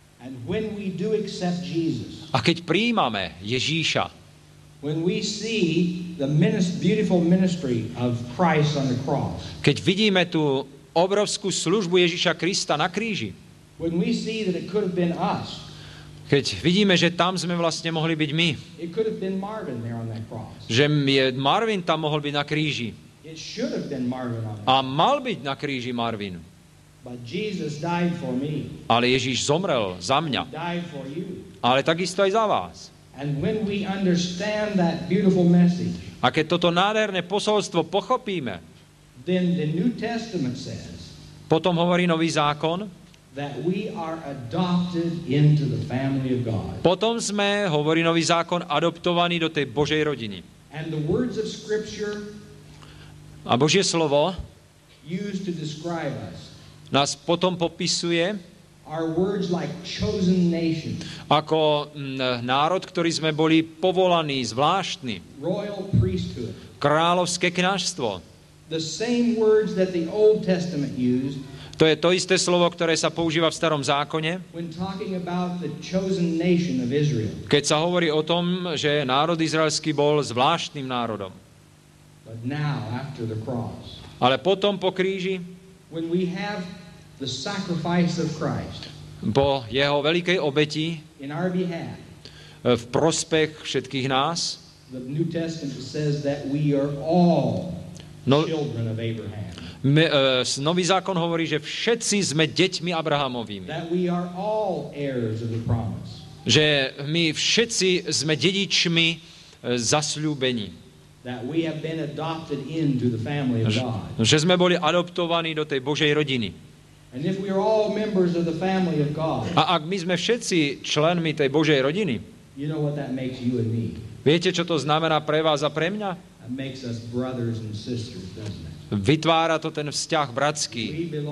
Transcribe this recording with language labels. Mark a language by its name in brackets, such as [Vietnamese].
[English] And when we do accept Jesus. [Slovak] A keď prijímame Ježíša. [English] When we see the beautiful ministry of Christ on the cross. [Slovak] Keď vidíme tú obrovskú službu Ježíša Krista na kríži. [English] When we see that it could have been us. [Slovak] Keď vidíme, že tam sme vlastne mohli byť my. [English] It could have been Marvin there on that cross. [Slovak] Že Marvin tam mohol byť na kríži. [English] It should have been Marvin on that cross. [Slovak] A mal byť na kríži Marvin. [English] But Jesus died for me. [Slovak] Ale Ježíš zomrel za mňa. [English] He died for you. [Slovak] Ale takisto aj za vás. [English] And when we understand that beautiful message. [Slovak] A keď toto nádherné posolstvo pochopíme. [English] Then the New Testament says. [Slovak] Potom hovorí Nový zákon. [English] That we are adopted into the family of God. [Slovak] Potom sme, hovorí Nový zákon, adoptovaní do tej Božej rodiny. [English] And the words of scripture. [Slovak] A Božie slovo. [English] Used to describe us. [Slovak] Nás potom popisuje. [English] Are words like chosen nation. [Slovak] Ako národ, ktorý sme boli povolaní, zvláštny. [English] Royal priesthood. [Slovak] Kráľovské kňazstvo. [English] The same words that the Old Testament used. [Slovak] To je to isté slovo, ktoré sa používa v Starom zákone. [English] When talking about the chosen nation of Israel. [Slovak] Keď sa hovorí o tom, že národ izraelský bol zvláštnym národom. [English] But now, after the cross. [Slovak] Ale potom po kríži. [English] When we have the sacrifice of Christ. [Slovak] Po jeho veľkej obeti. [English] In our behalf. [Slovak] V prospech všetkých nás. [English] The New Testament says that we are all children of Abraham. [Slovak] Nový zákon hovorí, že všetci sme deťmi Abrahamovými. [English] That we are all heirs of the promise. [Slovak] Že my všetci sme dedičmi zasľúbení. [English] That we have been adopted into the family of God. [Slovak] Že sme boli adoptovaní do tej Božej rodiny. [English] And if we are all members of the family of God. [Slovak] A ak my sme všetci členmi tej Božej rodiny. [English] You know what that makes you and me. [Slovak] Viete, čo to znamená pre vás a pre mňa? [English] It makes us brothers and sisters, doesn't it? [Slovak] Vytvára to ten vzťah bratský.